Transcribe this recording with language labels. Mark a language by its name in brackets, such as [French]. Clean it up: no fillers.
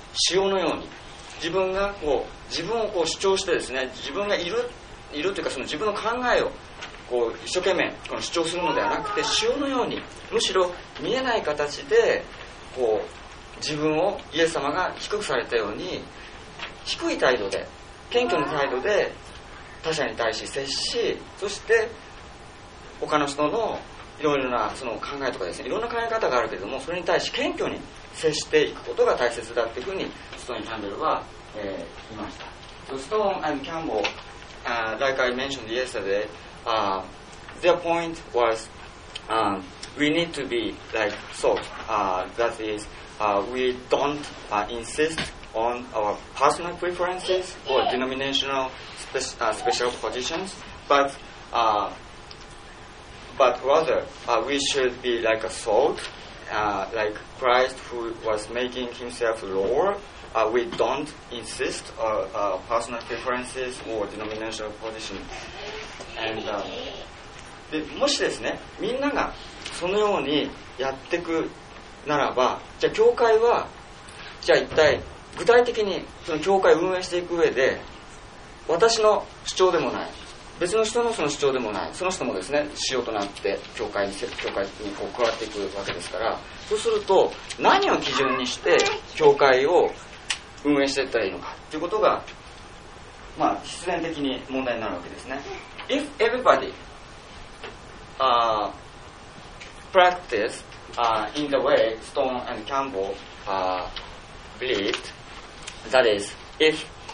[Japanese] 潮のように自分がこう自分をこう主張してですね、自分がいるというか、その自分の考えをこう一生懸命この主張するのではなくて、潮のようにむしろ見えない形でこう自分をイエス様が低くされたように、低い態度で謙虚な態度で他者に対し接し、そして他の人のいろいろなその考えとかですね、いろんな考え方があるけれども、それに対し謙虚に接していくことが大切だというふうにストーン・キャンベルは言いました。 [English] So Stone and Campbell, like I mentioned yesterday, their point was we need to be like salt. That is, we don't insist on our personal preferences or denominational special positions, but rather we should be like a salt. Like Christ, who was making himself lower, we don't insist on personal preferences or denominational position. And, [Japanese] でもしですね、みんながそのようにやっていくならば、じゃあ教会は、じゃあ一体具体的にその教会を運営していく上で、私の主張でもない、別の人のその主張でもない、その人もですね、主要となって教会にこう加わっていくわけですから、そうすると何を基準にして教会を運営していったらいいのかということが、まあ必然的に問題になるわけですね。 [English] If everybody practice in the way Stone and Campbell believed, that is, if